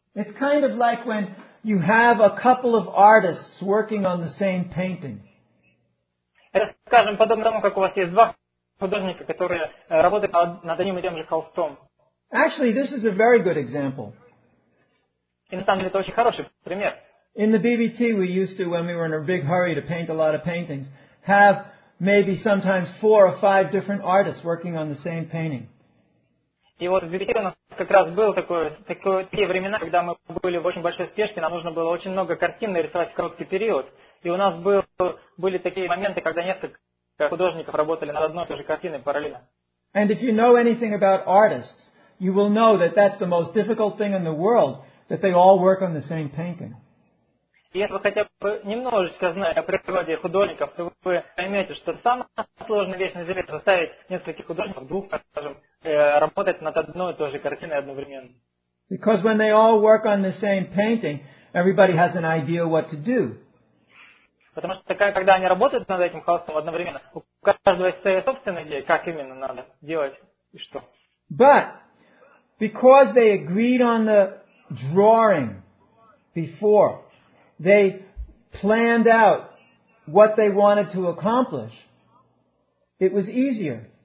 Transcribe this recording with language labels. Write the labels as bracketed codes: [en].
[en] It's kind of like when you have a couple of artists working on the same painting. [ru] Это, скажем, подобно тому, как у вас есть два художника, которые работают над одним и тем же холстом. [en] Actually, this is a very good example. [ru] И на самом деле это очень хороший пример. [en] In the BBT, we used to, when we were in a big hurry to paint a lot of paintings, have maybe sometimes four or five different artists working on the same painting. [ru] И вот в BBT у нас как раз было такие времена, когда мы были в очень большой спешке, нам нужно было очень много картин нарисовать в короткий период. И у нас были такие моменты, когда несколько художников работали над одной и той же картиной параллельно. [en] And if you know anything about artists, you will know that that's the most difficult thing in the world, that they all work on the same painting. [ru] Если вы хотя бы немножечко знаете о природе художников, то вы поймете, что самая сложная вещь на Земле – заставить нескольких художников, двух, скажем, работать над одной и той же картиной одновременно. [en] Because when they all work on the same painting, everybody has an idea what to do. [ru] Потому что такая, когда они работают над этим холстом одновременно, у каждого есть своя собственная идея, как именно надо делать и что. [en] But because they agreed on the drawing before, they planned out what they wanted to accomplish, it was easier.